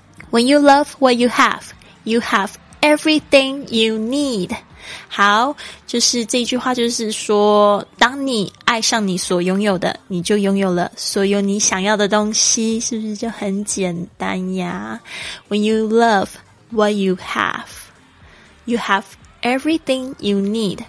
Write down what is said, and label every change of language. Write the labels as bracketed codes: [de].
[en] When you love what you have everything you need. [zh] 好，就是这一句话就是说，当你爱上你所拥有的，你就拥有了所有你想要的东西，是不是就很简单呀？ [en] When you love what you have everything you need.